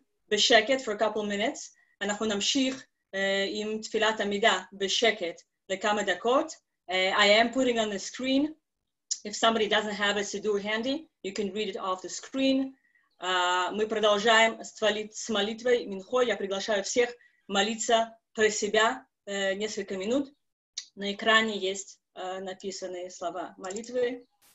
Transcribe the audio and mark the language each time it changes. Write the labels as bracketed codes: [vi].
[he] בשקט [en] for a couple minutes. [he] אנחנו נמשיך עם תפילת עמידה בשקט לכמה דקות. [en] I am putting on the screen. If somebody doesn't have a siddur handy, you can read it off the screen. [ru] Мы продолжаем с молитвой Минхой. Я приглашаю всех молиться про себя несколько минут. На экране есть написанные слова молитвы.